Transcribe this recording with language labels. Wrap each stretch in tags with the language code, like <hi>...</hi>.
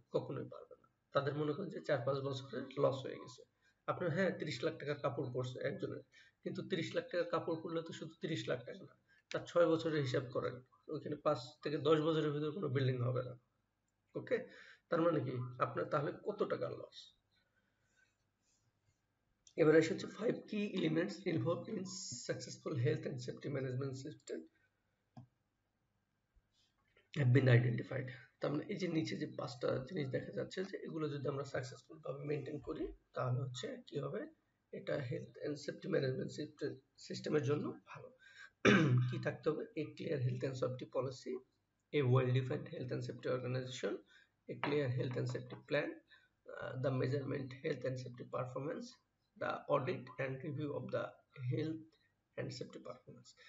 <bn>কখনোই পারবে না, তাদের মনে করেন যে 4-5 বছরের লস হয়ে গেছে। আপনি হ্যাঁ 30 লাখ টাকার কাপড় পরছে একজনের, কিন্তু 30 লাখ টাকার কাপড় পরলে তো শুধু 30 লাখ টাকা না, তার 6 বছরের হিসাব করেন, ওইখানে 5 থেকে 10 বছরের ভিতরে কোনো বিল্ডিং হবে না, ওকে? তার মানে কি আপনার তাহলে কত টাকার লস? এবার এসে হচ্ছে</bn> <en>5 key elements involved in successful health and safety management system have been identified.</en> <bn>তার মানে এই যে নিচে যে 5টা জিনিস দেখা যাচ্ছে যে এগুলো যদি আমরা সাকসেসফুল ভাবে মেনটেন করি তাহলে হচ্ছে কি হবে, এটা হেলথ এন্ড সেফটি ম্যানেজমেন্ট সিস্টেমের জন্য ভালো। কি থাকতে হবে,</bn> <en>A clear health and safety policy, a well defined health and safety organisation, a clear health and safety plan, the measurement health and safety performance, the audit and review of the health and safety performance.</en>